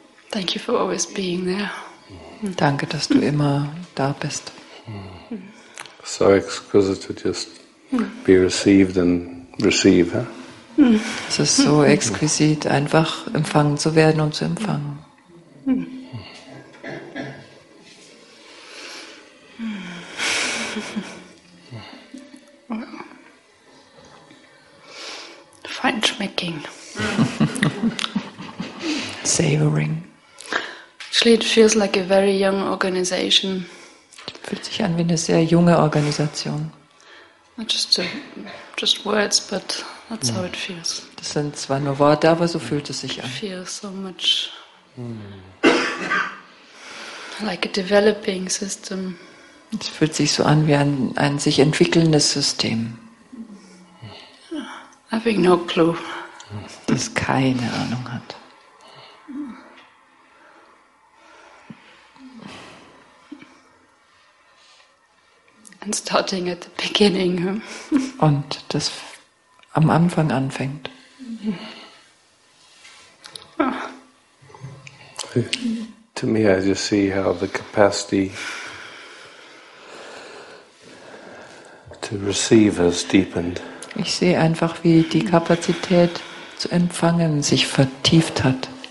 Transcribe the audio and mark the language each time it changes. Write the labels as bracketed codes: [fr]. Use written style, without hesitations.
[en] Thank you for always being there. [de] Danke, dass du immer da bist. [en] So exquisite to just be received and receive. Huh? [de] Es ist so exquisit, einfach empfangen zu werden und zu empfangen. Feinschmecking. [en] Savoring. It feels like a very young organization. [de] Fühlt sich an wie eine sehr junge Organisation. [en] Not just words, but that's how it feels. [de] Das sind zwar nur Worte, aber so fühlt es sich an. [en] It feels so much like a developing system. [de] Es fühlt sich so an wie ein sich entwickelndes System. [en] Having no clue. [de] Das keine Ahnung hat. [en] And starting at the beginning. [de] Und das am Anfang anfängt. [en] To me, I just see how the capacity to receive has deepened. [de] Ich sehe einfach, wie die Kapazität zu empfangen sich vertieft hat.